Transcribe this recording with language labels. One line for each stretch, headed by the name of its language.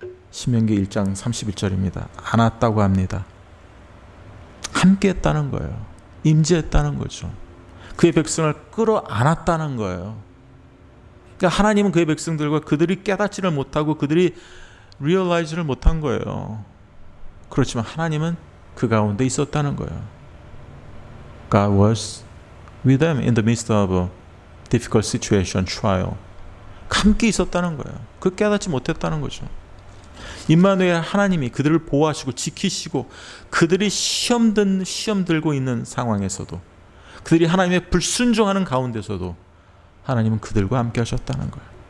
Korean: 신명기 1장 31절입니다. 안았다고 합니다. 함께했다는 거예요. 임재했다는 거죠. 그의 백성을 끌어안았다는 거예요. 그러니까 하나님은 그의 백성들과 그들이 깨닫지를 못하고 그들이 realize를 못한 거예요. 그렇지만 하나님은 그 가운데 있었다는 거예요.
English: God was with them in the midst of a difficult situation, trial.
Korean: 함께 있었다는 거예요. 그 깨닫지 못했다는 거죠. 임마누엘 하나님이 그들을 보호하시고 지키시고 그들이 시험 들고 있는 상황에서도 그들이 하나님의 불순종하는 가운데서도 하나님은 그들과 함께 하셨다는 거예요.